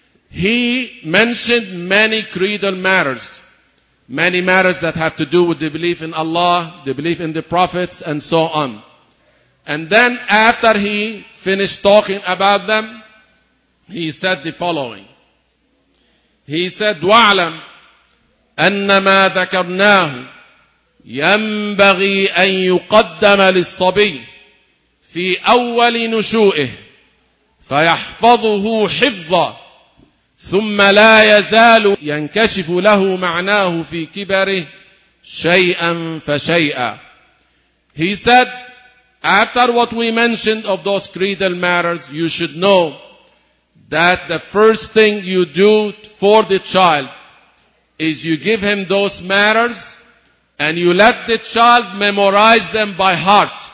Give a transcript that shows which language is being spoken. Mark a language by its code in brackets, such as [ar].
[en] He mentioned many creedal matters, many matters that have to do with the belief in Allah, the belief in the prophets, and so on. And then after he finished talking about them, he said the following. He said, [ar] وَعْلَمْ أَنَّ مَا ذَكَرْنَاهُ ينبغي أن يقدم للصبي في أول نشوئه فيحفظه حفظا، ثم لا يزال ينكشف له معناه في كبره شيئا فشيئا. [en] He said, after what we mentioned of those creedal matters, you should know that the first thing you do for the child is you give him those matters and you let the child memorize them by heart.